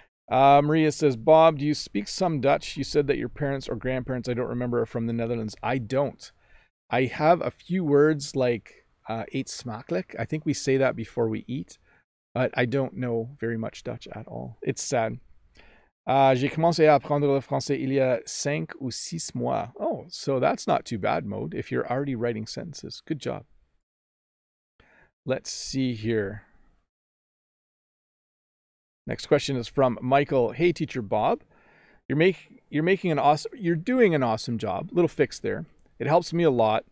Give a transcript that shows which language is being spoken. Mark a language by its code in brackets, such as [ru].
[en] Maria says, Bob, do you speak some Dutch? You said that your parents or grandparents, I don't remember, are from the Netherlands. I don't. I have a few words like [nl] eet smakelijk. [en] I think we say that before we eat, but I don't know very much Dutch at all. It's sad. [fr] J'ai commencé à apprendre le français il y a 5 ou 6 mois. [en] Oh, so that's not too bad, Mode, if you're already writing sentences. Good job. Let's see here. Next question is from Michael. Hey, teacher Bob. You're doing an awesome job. Little fix there. It helps me a lot.